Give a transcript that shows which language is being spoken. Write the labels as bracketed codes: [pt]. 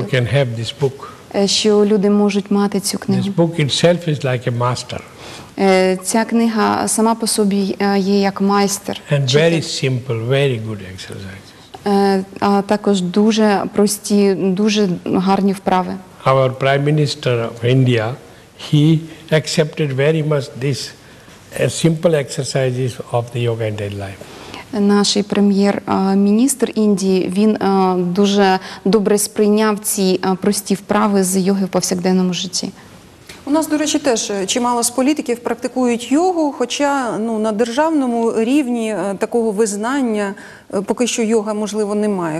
[en] People can have this book. [uk] Що люди можуть мати цю книгу. [en] This book itself is like a master. [uk] Ця книга сама по собі є як майстер. [en] And very simple, very good exercises. [uk] А також дуже прості, дуже гарні вправи. [en] Our Prime Minister of India, he accepted very much this simple exercises of the yoga and daily life. [uk] Наш прем'єр-міністр Індії, він дуже добре сприйняв ці прості вправи з йоги в повсякденному житті. У нас, до речі, теж чимало з політиків практикують йогу, хоча на державному рівні такого визнання поки що йога, можливо, немає.